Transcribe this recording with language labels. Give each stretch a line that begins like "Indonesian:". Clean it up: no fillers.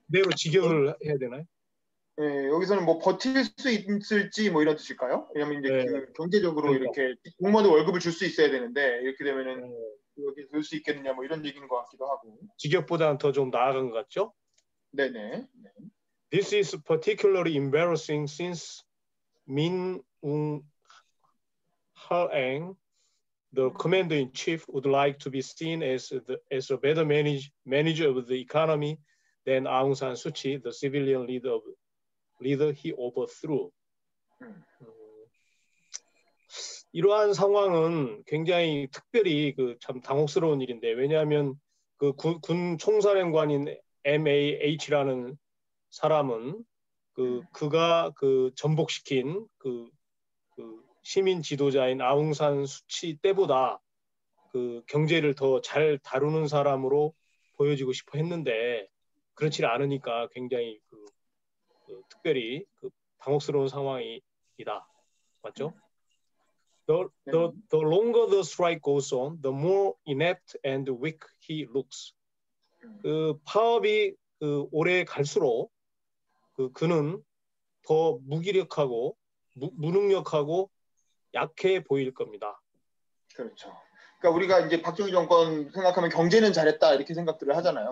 Korean: 매우 직역을 해야 되나요? 네, 여기서는 뭐 버틸 수 있을지 뭐 이런 뜻일까요? 왜냐면 이제 네. 그 경제적으로 그러니까. 이렇게 공무원도 월급을 줄 수 있어야 되는데 이렇게 되면은 이렇게 줄 수 있겠느냐 뭐 이런 얘기인 것 같기도 하고 직역보다는 더 좀 나아간 것 같죠? 네네.
English: This is particularly embarrassing since Min Woong Haeng, The commander in chief would like to be seen as a better manager of the economy than Aung San Suu Kyi, the civilian leader he overthrew.
Korean: 이러한 상황은 굉장히 특별히 그 참 당혹스러운 일인데 왜냐하면 그 군 총사령관인 MAH라는 사람은 그가 그 전복시킨 그 시민 지도자인 아웅산 수치 때보다 그 경제를 더 잘 다루는 사람으로 보여지고 싶어 했는데 그렇지 않으니까 굉장히 그 특별히 그 당혹스러운 상황이다. 맞죠?
English: The longer the strike goes on, the more inept and weak he looks.
Korean: 그 파업이 그 오래 갈수록 그는 더 무기력하고 무능력하고 약해 보일 겁니다. 그렇죠. 그러니까 우리가 이제 박정희 정권 생각하면 경제는 잘했다 이렇게 생각들을 하잖아요.